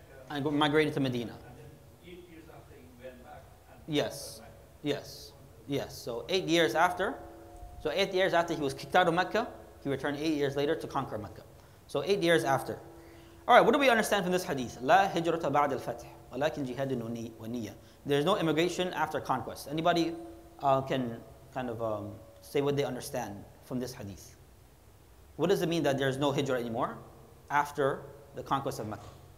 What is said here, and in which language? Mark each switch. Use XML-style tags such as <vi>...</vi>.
<en>And migrated to Medina. And then 8 years after he went back. And yes. Yes. So 8 years after. So 8 years after he was kicked out of Mecca, he returned 8 years later to conquer Mecca. So 8 years after. All right, what do we understand from this hadith?</en> <ar>لا هجرة بعد الفتح ولكن جهاد ونية.</ar> <en>There's no immigration after conquest. Anybody can kind of say what they understand from this hadith. What does it mean that there's no hijra anymore after the conquest of Mecca?</en>